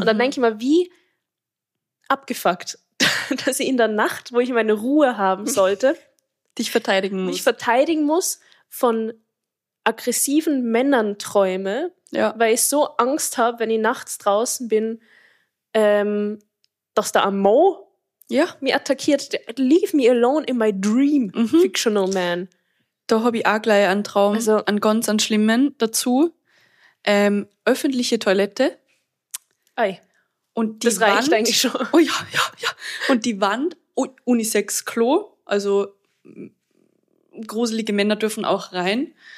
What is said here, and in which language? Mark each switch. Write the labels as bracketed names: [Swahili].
[German] Und dann denke ich mal, wie abgefuckt, dass ich in der Nacht, wo ich meine Ruhe haben sollte, mich verteidigen muss von aggressiven Männern träume, ja, weil ich so Angst habe, wenn ich nachts draußen bin, dass da ein Mo, ja, mich attackiert. [English] Leave me alone in my dream, mhm, fictional man. [German] Da habe ich auch gleich einen Traum, also, einen ganz einen schlimmen dazu. Öffentliche Toilette. Ei. Und die das reicht Wand, eigentlich schon. Oh ja, ja, ja. Und die Wand, Unisex-Klo, also gruselige Männer dürfen auch rein.